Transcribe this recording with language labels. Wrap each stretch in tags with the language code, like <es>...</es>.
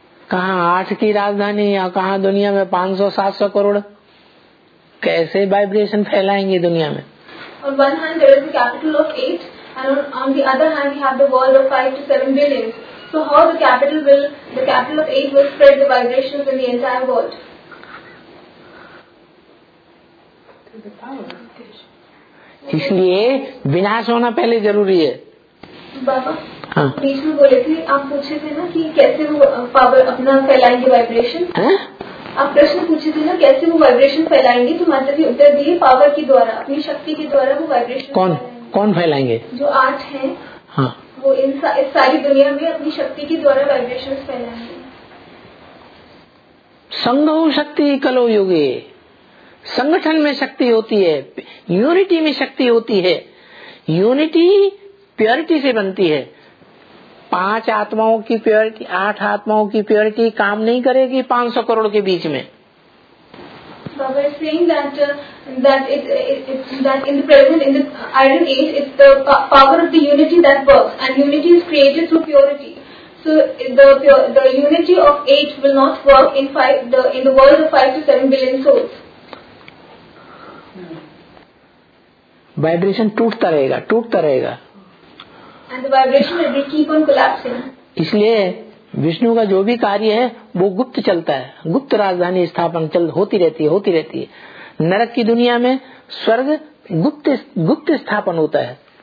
<hi>कहाँ आठ की राजधानी, या कहाँ दुनिया में 500-700 करोड़, कैसे वाइब्रेशन फैलाएंगे दुनिया में?</hi> <en>On one hand there is the capital of eight, and on the other hand we have the world of 5 to 7 billion. So how the capital of eight will spread the vibrations in the entire world?</en> <hi>इसलिए विनाश होना पहले जरूरी है। बाबा बीच में बोले थे, आप पूछे थे ना कि कैसे वो पावर अपना फैलाएंगे वाइब्रेशन, आप प्रश्न पूछे थे ना कैसे वो वाइब्रेशन फैलाएंगे, तो मतलब ये उत्तर दिए पावर के द्वारा, अपनी शक्ति के द्वारा वो वाइब्रेशन। कौन फैलाएंगे? कौन फैलाएंगे? जो आठ है वो इस सारी दुनिया में अपनी शक्ति के द्वारा वाइब्रेशन फैलाएंगे। संघ शक्ति कलो योगे, संगठन में शक्ति होती है, यूनिटी में शक्ति होती है, यूनिटी प्योरिटी से बनती है। पांच आत्माओं की प्योरिटी, आठ आत्माओं की प्योरिटी काम नहीं करेगी 500 करोड़ के बीच में।</hi> <en>Baba saying that that it that in the present in the iron age it's the power of the unity that works and unity is created through purity. So the unity of eight will not work in the world of 5 to 7 billion souls.</en> <hi>Vibration टूटता रहेगा</hi> <en>And vibration will keep on collapsing.</en> <hi>इसलिए विष्णु का जो भी कार्य है वो गुप्त चलता है, गुप्त राजधानी स्थापन होती रहती है। नरक की दुनिया में स्वर्ग गुप्त स्थापन होता है।</hi>